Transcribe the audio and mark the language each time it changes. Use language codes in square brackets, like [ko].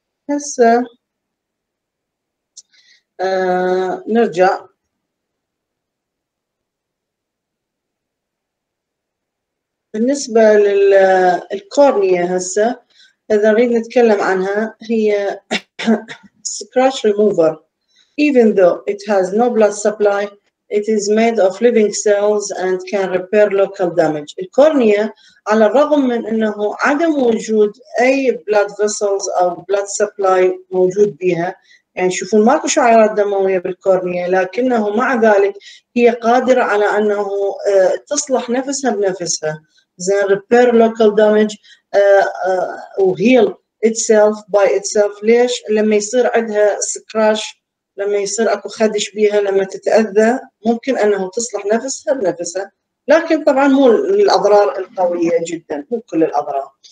[ar] هسه نرجع بالنسبة للكورنيا. هسه إذا نريد نتكلم عنها هي scratch remover. [en] Even though it has no blood supply, it is made of living cells and can repair local damage. [ar] الكورنيا على الرغم من أنه عدم وجود أي blood vessels أو blood supply موجود بها، يعني شوفون ماكو شعيرات دموية بالكورنيا، لكنه مع ذلك هي قادرة على أنه تصلح نفسها بنفسها. [en] زين repair local damage وheal itself by itself. [ar] ليش؟ لما يصير عندها scratch، لما يصير اكو خدش بيها، لما تتأذى ممكن انه تصلح نفسها بنفسها، لكن طبعا مو الاضرار القوية جدا، مو كل الاضرار.